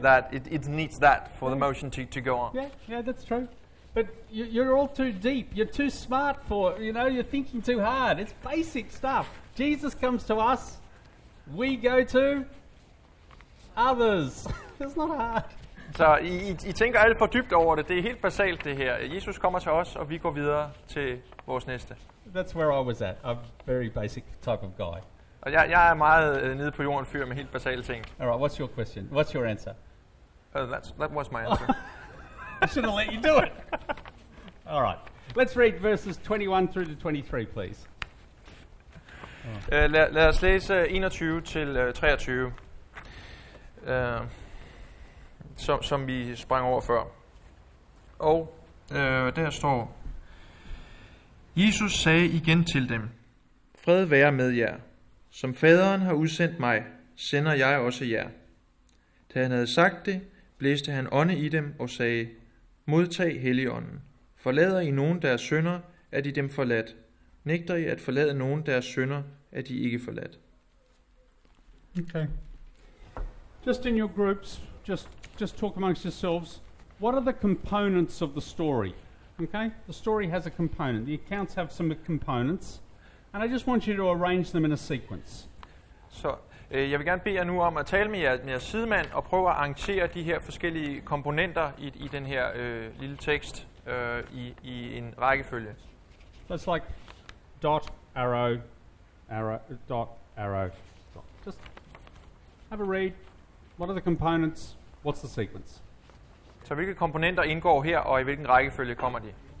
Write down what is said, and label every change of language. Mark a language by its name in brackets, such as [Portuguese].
[English] That it needs that for the motion to go on. Yeah, that's true. But you're all too deep, you're too smart you're thinking too hard. It's basic stuff. Jesus comes to us, we go to others. It's not hard. [Danish] Så I tænker alt for dybt over det. Det er helt basalt det her. Jesus kommer til os, og vi går videre til vores næste. [English] That's where I was at. A very basic type of guy. [Danish] Og jeg er meget nede på jorden fyr med helt basale ting. [English] All right, what's your question? What's your answer? That was my answer. I shouldn't let you do it. All right. Let's read verses 21 through to 23, please. [Danish] Lad os læse 21 til 23. Som vi sprang over før. Og der står, Jesus sagde igen til dem, fred være med jer. Som faderen har udsendt mig, sender jeg også jer. Da han havde sagt det, blæste han ånde i dem og sagde, modtag Helligånden. Forlader I nogen deres synder, er de dem forladt. Nægter I at forlade nogen deres synder, er de ikke forladt. [English] Okay. Just in your groups, just talk amongst yourselves. What are the components of the story? Okay? The story has a component. The accounts have some components. And I just want you to arrange them in a sequence. [Danish] So, jeg vil gerne bede jer nu om at tale med jer sidemand og prøve at arrangere de her forskellige komponenter i den her lille tekst i en rækkefølge. [English] That's like dot, arrow, arrow, dot, arrow. Just have a read. What are the components? What's the sequence? [Danish] Så hvilke komponenter indgår her, og i hvilken rækkefølge kommer de?